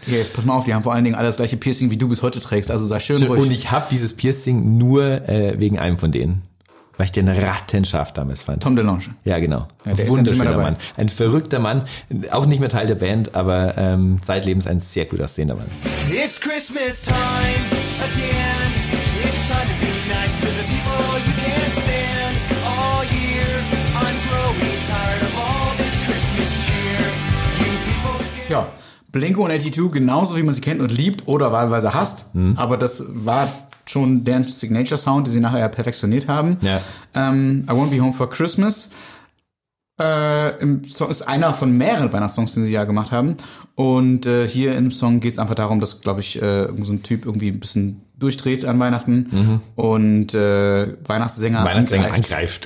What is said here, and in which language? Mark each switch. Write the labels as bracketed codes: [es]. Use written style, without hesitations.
[de] Okay, jetzt pass mal auf, die haben vor allen Dingen alle das gleiche Piercing, wie du bis heute trägst. Also sei schön ruhig. Und ich habe dieses Piercing nur wegen einem von denen. Weil ich den rattenscharf damals fand. Tom DeLonge. Ja, genau. Ja, wunderschöner Mann. Ein verrückter Mann. Auch nicht mehr Teil der Band, aber zeitlebens ein sehr gut aussehender Mann. [en] It's Christmas time again. It's time to be nice to the people you can't stand. All year I'm growing tired of all this Christmas cheer. You people scared. [de] Ja, Blink 182, genauso wie man sie kennt und liebt oder wahlweise hasst. Hm. Aber das war schon deren Signature-Sound, die sie nachher ja perfektioniert haben. Ja. [en] I Won't Be Home for Christmas. [de] Im Song ist einer von mehreren Weihnachtssongs, den sie ja gemacht haben. Und hier im Song geht es einfach darum, dass, glaube ich, so ein Typ irgendwie ein bisschen durchdreht an Weihnachten und Weihnachtssänger angreift,